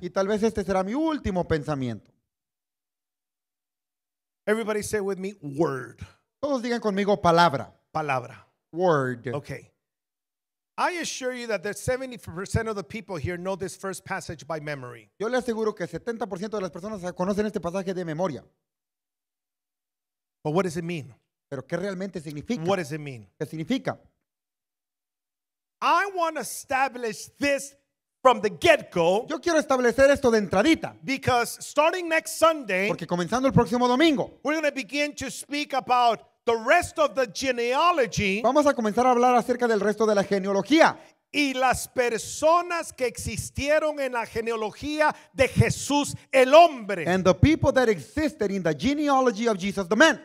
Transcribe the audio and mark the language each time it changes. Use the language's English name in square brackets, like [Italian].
[Spanish] Y tal vez este será mi último pensamiento. [English] Everybody say with me, word. [Spanish] Todos digan conmigo palabra. Palabra. [English] Word. Okay. I assure you that the 70% of the people here know this first passage by memory. [Spanish] Yo le aseguro que 70% de las personas conocen este pasaje de memoria. [English] But what does it mean? [Spanish] ¿Pero qué realmente significa? [English] What does it mean? [Spanish] ¿Qué significa? [English] I want to establish this from the get-go. [Spanish] Yo quiero establecer esto de entradita. [English] Because starting next Sunday, [Spanish] porque comenzando el próximo domingo, [English] we're going to begin to speak about the rest of the genealogy. [Spanish] Vamos a comenzar a hablar acerca del resto de la genealogía. Y las personas que existieron en la genealogía de Jesús el hombre. [English] And the people that existed in the genealogy of Jesus the man.